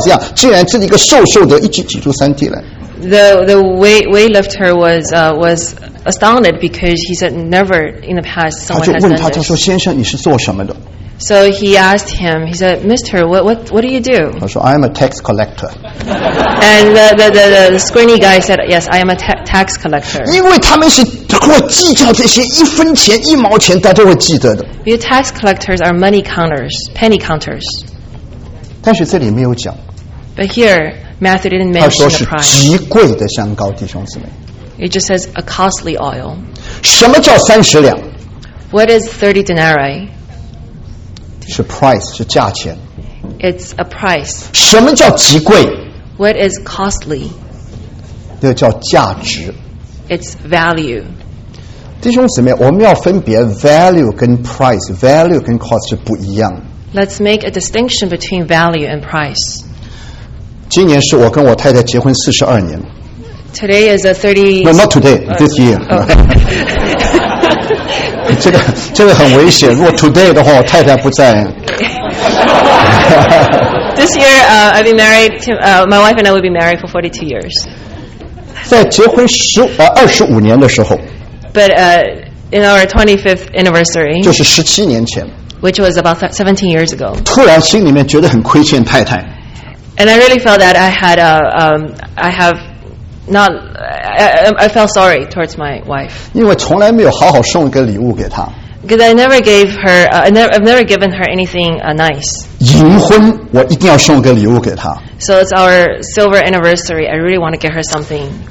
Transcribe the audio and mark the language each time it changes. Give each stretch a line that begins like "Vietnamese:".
Chinese: 那大力士吓一跳，我从来走遍大江南北，从来没有碰到这样，竟然是一个瘦瘦的，一挤挤出三滴来。
English: The weightlifter was astounded because he said never in the past someone has done this.
Chinese: 他就问他，他说：“先生，你是做什么的？”
English: So he asked him. He said, "Mister, what do you do?"
Chinese: 他说
English: ：“I am a tax collector." And the screeny guy said, "Yes, I am a tax collector."
Chinese: 因为他们是会计较这些一分钱一毛钱，他都会记得的。
English: Because tax collectors are money counters, penny counters.
Chinese: 但是这里没有讲。
English: But here. Matthew didn't mention the price.
Chinese: 他说是极贵的香膏，弟兄姊妹。
English: It just says a costly oil.
Chinese: 什么叫30两？
English: What is 30 denarii?
Chinese: 是 price， 是价钱。
English: It's a price.
Chinese: 什么叫极贵？
English: What is costly?
Chinese: 那叫价值。
English: It's value.
Chinese: 弟兄姊妹，我们要分别 value 跟 price， value 跟 cost 是不一样。
English: Let's make a distinction between value and price.
Chinese: 今年是我跟我太太结婚42年。
English: Today is a 30. No, not today. This year. Okay.
Chinese: 这个很危险。如果 today 的话，我太太不在。
English: This year, I've been married to my wife and I will be married for 42 years.
Chinese: 在结婚25年的时候。
English: But in our 25th anniversary.
Chinese: 就是17年前。
English: Which was about 17 years ago.
Chinese: 突然心里面觉得很亏欠太太。
English: And I really felt that I had I have not I felt sorry towards my wife.
Chinese: 因为从来没有好好送一个礼物给她。
English: Because I never gave her I've never given her anything nice.
Chinese: 迎婚，我一定要送一个礼物给她。
English: So it's our silver anniversary. I really want to get her something.